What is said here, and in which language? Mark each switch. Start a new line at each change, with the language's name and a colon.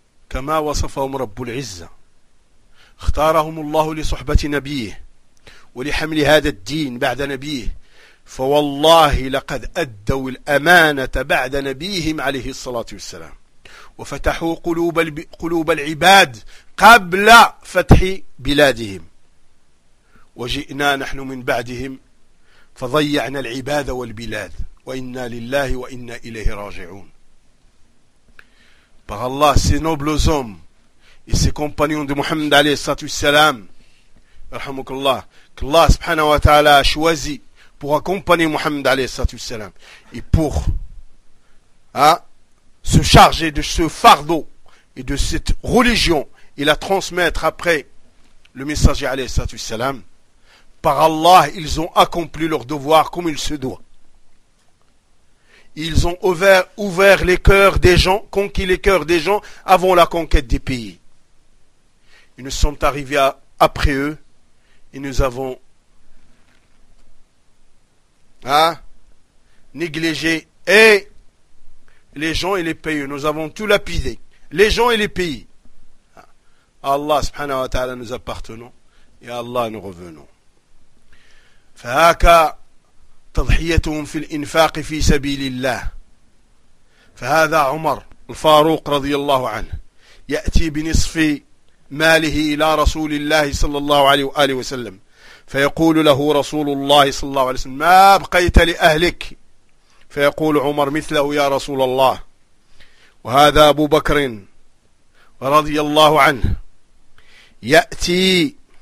Arabic: كما وصفهم رب العزة اختارهم الله لصحبة نبيه ولحمل هذا الدين بعد نبيه فوالله لقد أدوا الأمانة بعد نبيهم عليه الصلاة والسلام وفتحوا قلوب العباد قبل فتح بلادهم وجئنا نحن من بعدهم فضيعنا العباد والبلاد وإنا لله وإنا إليه راجعون.
French: Par Allah, ces nobles hommes et ces compagnons de Muhammad
Arabic: alayhi salatu salam,
French: rahmukallah, qu'Allah
Arabic: subhanahu wa ta'ala
French: a choisi pour accompagner Muhammad alayhi salatu salam et pour se charger de ce fardeau et de cette religion et la transmettre après le messager alayhi salatu salam, par Allah, ils ont accompli leur devoir comme il se doit. Ils ont ouvert les cœurs des gens, conquis les cœurs des gens avant la conquête des pays. Ils nous sont arrivés après eux et nous avons négligé et les gens et les pays. Nous avons tout lapidé, les gens et les pays. À Allah
Arabic: subhanahu wa ta'ala
French: nous appartenons et à Allah nous revenons.
Arabic: Fahaka تضحيتهم في الإنفاق في سبيل الله فهذا عمر الفاروق رضي الله عنه يأتي بنصف ماله إلى رسول الله صلى الله عليه وآله وسلم فيقول له رسول الله صلى الله عليه وسلم ما بقيت لأهلك فيقول عمر مثله يا رسول الله وهذا أبو بكر رضي الله عنه يأتي